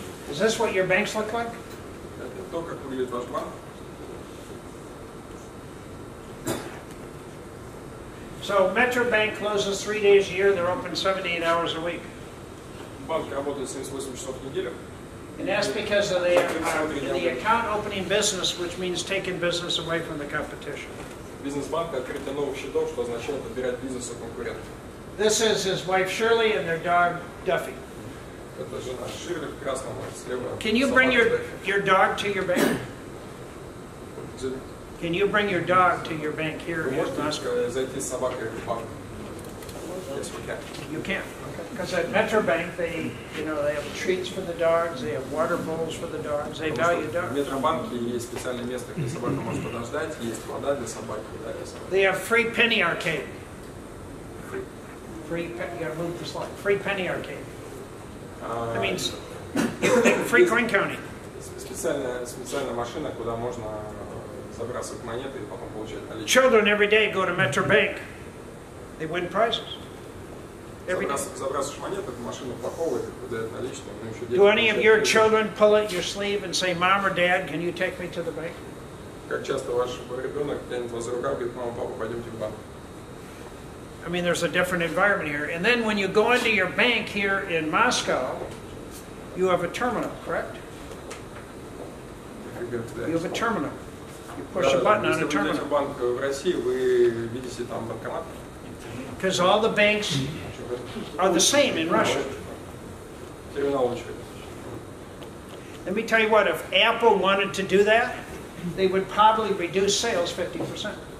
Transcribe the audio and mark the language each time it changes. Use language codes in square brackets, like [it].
[en] Is this what your banks look like? [ru] Это то, как выглядит ваш банк. [en] So Metro Bank closes 3 days a year. They're open 78 hours a week. [ru] Банк работает 78 часов в неделю. [en] And that's because of the account opening business, which means taking business away from the competition. [ru] Бизнес-банк открытие новых счетов, что означает отбирать бизнес у конкурентов. [en] This is his wife Shirley and their dog Duffy. [ru] Это жена Ширли в красном слева. [en] Can you bring your dog to your bank? Can you bring your dog to your bank here in Moscow? [ru] Вы можете зайти с собакой в банк? [en] Yes, we can. You can. Because at Metro Bank, they have treats for the dogs, they have water bowls for the dogs, they value dogs. [ru] В Метробанке есть специальное место, где собака может подождать, есть вода для собаки. [en] They have free penny arcade. Free penny arcade. That means Freecoin County. [ru] Специальная машина, куда можно забрасывать монеты и потом получать наличные. [en] Children every day go to Metro Bank. They win prizes. [ru] Забрасываешь монеты, в машину упаковывают, выдают наличные, но еще дети. [en] Do any of your children pull at your sleeve and say, "Mom or Dad, can you take me to the bank?" [ru] Как часто ваш ребенок тянет вас за рукав и говорит: "Мама, папа, пойдемте в банк"? [en] I mean, there's a different environment here. And then when you go into your bank here in Moscow, you have a terminal, correct? You have a terminal. You push a button on a terminal. [ru] Если вы идете в банк в России, вы видите там банкомат? [en] Because all the banks are the same in Russia. [ru] Терминал очередь. [en] Let me tell you what, if Apple wanted to do that, they would probably reduce sales 50%.